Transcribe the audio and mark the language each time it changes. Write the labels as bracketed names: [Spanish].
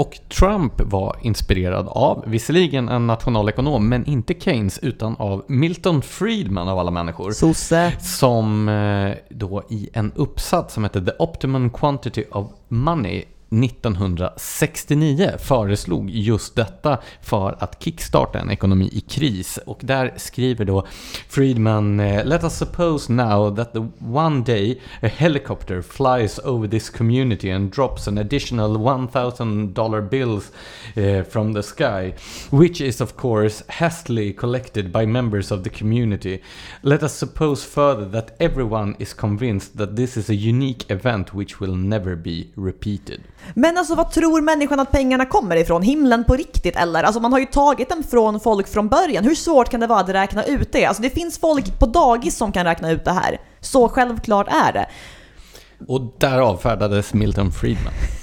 [Swedish] Och Trump var inspirerad av, visserligen en nationalekonom, men inte Keynes, utan av Milton Friedman av alla människor. Sosse. Som då i en uppsats som heter The Optimum Quantity of Money 1969 föreslog just detta för att kickstarta en ekonomi i kris. Och där skriver då Friedman: [English] "Let us suppose now that the one day a helicopter flies over this community and drops an additional $1,000 bills from the sky, which is of course hastily collected by members of the community. Let us suppose further that everyone is convinced that this is a unique event which will never be repeated." [Swedish] Men alltså, vad tror människan att pengarna kommer ifrån? Himlen på riktigt, eller? Alltså, man har ju tagit dem från folk från början. Hur svårt kan det vara att räkna ut det? Alltså, det finns folk på dagis som kan räkna ut det här. Så självklart är det. Och där avfärdades Milton Friedman.